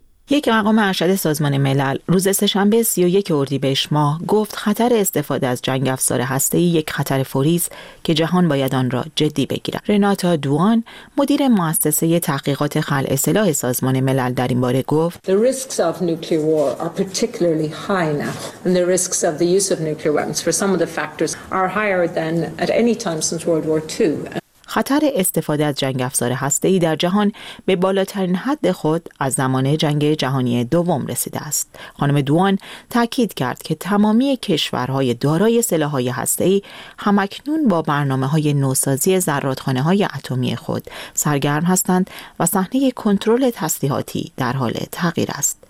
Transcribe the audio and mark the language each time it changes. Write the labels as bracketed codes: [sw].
[fa] یک مقام ارشد سازمان ملل روز سه‌شنبه 31 اردیبهشت ماه گفت خطر استفاده از جنگ افزار هسته‌ای یک خطر فوری است که جهان باید آن را جدی بگیرد. رناتا دوان، مدیر مؤسسه تحقیقات خلع سلاح سازمان ملل، در این باره گفت: [en] The risks of nuclear war are particularly high now and the risks of the use of nuclear weapons for some of the factors are higher than at any time since World War II. [fa] خطر استفاده از جنگ افزار هسته‌ای در جهان به بالاترین حد خود از زمان جنگ جهانی دوم رسیده است. خانم دوان تاکید کرد که تمامی کشورهای دارای سلاح‌های هسته‌ای همکنون با برنامه‌های نوسازی ذرات‌خانه‌های اتمی خود سرگرم هستند و صحنه کنترل تسلیحاتی در حال تغییر است.